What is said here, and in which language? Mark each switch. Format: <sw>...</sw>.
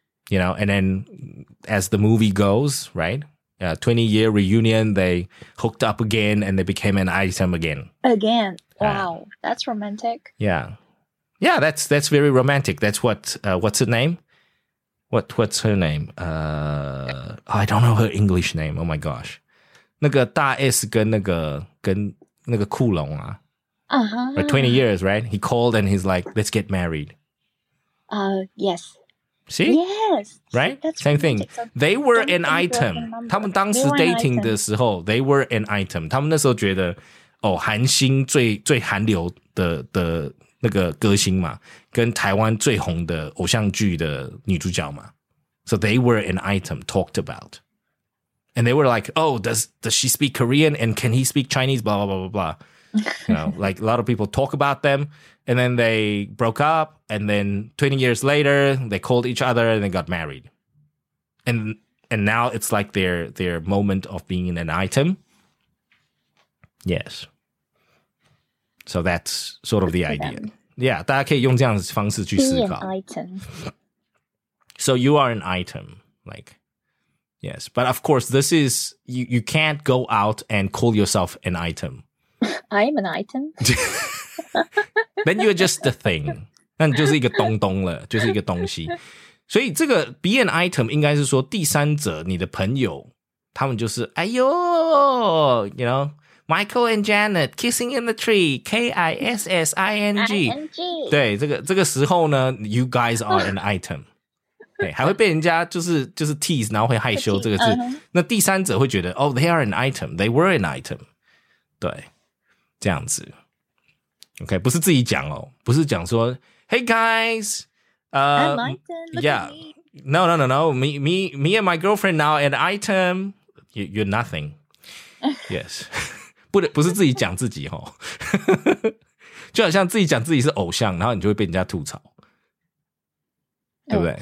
<en>You know, and then as the movie goes, right? 20-year reunion, they hooked up again and they became an item again. Again. Wow. That's romantic. Yeah. Yeah, that's very romantic. That's what, what's her name? What's her name? I don't know her English name. Oh my gosh.</en> <zh>那个大S跟那个窟窿啊。 Uh-huh.</zh> <en>Right, 20 years, right? He called and he's like, let's get married. Yes. See? Yes. Right? That's same romantic thing. So they were an item.</en> <zh>他们当时dating的时候,</zh> <en>they were an item.</en> <zh>他们那时候觉得, 韩星最韩流的那个歌星嘛, 跟台湾最红的偶像剧的女主角嘛。</zh> <en>So they were an item talked about. And they were like, oh, does she speak Korean and can he speak Chinese? Blah, blah, blah, blah, blah. You know, like a lot of people talk about them. And then they broke up. And then 20 years later, they called each other and they got married. And now it's like their moment of being an item. Yes. So that's sort of the idea.</en> <zh>Yeah, 大家可以用这样的方式去思考。</zh> <en>So you are an item, like, yes. But of course, this is, you can't go out and call yourself an item. I am an item. Then you're just a thing.</en> <zh>那你就是一个东东了,就是一个东西。所以这个be an item应该是说第三者,你的朋友,他们就是,哎呦,</zh> <en>you know, Michael and Janet, kissing in the tree, K-I-S-S-I-N-G. I-N-G.</en> <zh>对,这个时候呢,</zh> <en>you guys are an item.</en> <zh>还会被人家就是 tease 然后会害羞这个字 uh-huh. 那第三者会觉得</zh> <en>oh they are an item</en> <zh>they were an item 对这样子 OK 不是自己讲哦 不是讲说</zh> <en>hey guys I'm an item yeah no me and my girlfriend now an item you're nothing yes</en> <zh>不是自己讲自己哦 就好像自己讲自己是偶像 然后你就会被人家吐槽 对不对?</zh>